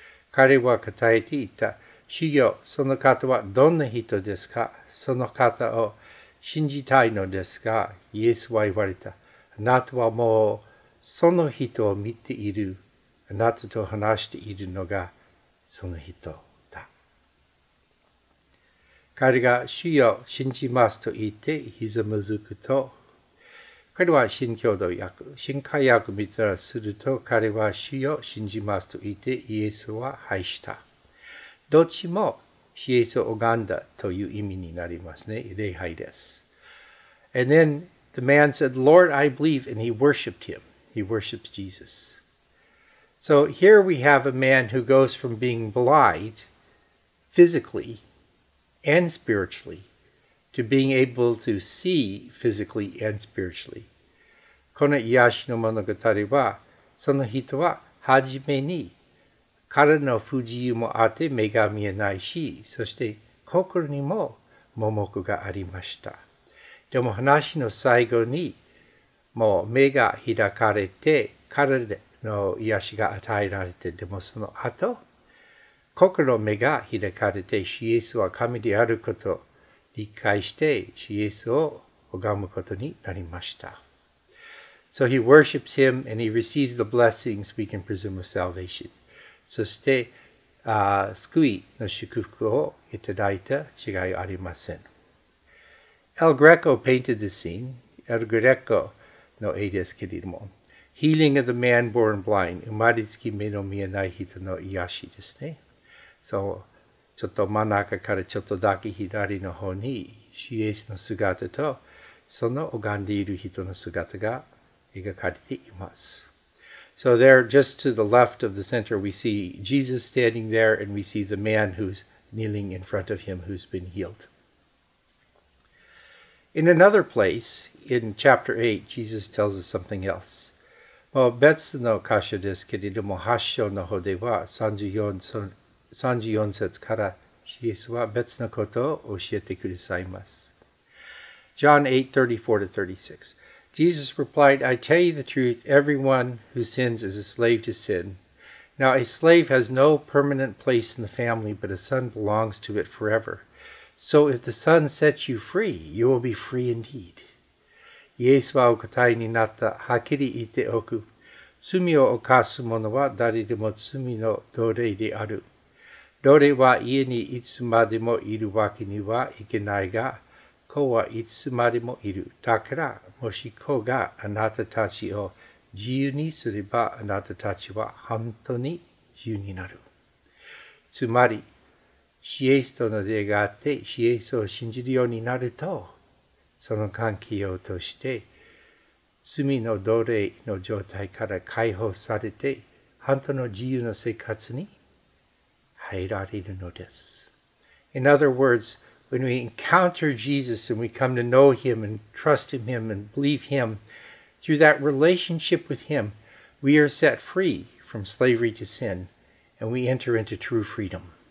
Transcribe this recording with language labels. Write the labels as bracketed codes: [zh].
[ja] 彼は答えて言った。主よ、その方はどんな人ですか？その方を信じたいのですか？イエスは言われた。あなたはもうその人を見ている。あなたと話しているのがその人。彼が主よ信じますと言ってひざまずくと、彼は新教導訳、新改訳見たらすると、彼は主よ信じますと言ってイエスは拝した。どっちもイエスを拝んだという意味になりますね。礼拝です。 [en] And then the man said, Lord, I believe, and he worshipped him. He worships Jesus. So here we have a man who goes from being blind physically,and spiritually, to being able to see physically and spiritually. [ja] この癒しの物語は、その人は初めに体の不自由もあって目が見えないし、そして心にも盲目がありました。でも話の最後に、もう目が開かれて体の癒しが与えられて、でもその後、心の目が開かれて、イエスは神であることを理解して、イエスを拝むことになりました。 [en] So he worships him and he receives the blessings we can presume of salvation. [ja] そして、救いの祝福をいただいた違いありません。 [en] El Greco painted this scene. El Greco [ja] の絵ですけれども。 [en] Healing of the man born blind. [ja] 生まれつき目の見えない人の癒しですね。そう、ちょっと真ん中からちょっとだけ左の方に、イエスの姿と、その拝んでいる人の姿が描かれています。 [en] So there, just to the left of the center, we see Jesus standing there, and we see the man who's kneeling in front of him, who's been healed. In another place, in chapter 8, Jesus tells us something else. [ja] もう別の箇所ですけれども、8章の方では34節から、イエスは別のことを教えてくださいます。 [en] John 8:34-36 Jesus replied, I tell you the truth, everyone who sins is a slave to sin. Now a slave has no permanent place in the family, but a son belongs to it forever. So if the son sets you free, you will be free indeed. [ja] イエスはお答えになった。はっきり言っておく。罪を犯す者は誰でも罪の奴隷である。奴隷は家にいつまでもいるわけにはいけないが、子はいつまでもいる。だから、もし子があなたたちを自由にすれば、あなたたちは本当に自由になる。つまり、死エスとの出会いがあって、死エスを信じるようになると、その関係を通して、罪の奴隷の状態から解放されて、本当の自由の生活に入られるのです。 [en] In other words, when we encounter Jesus and we come to know Him and trust in Him and believe Him, through that relationship with Him, we are set free from slavery to sin and we enter into true freedom.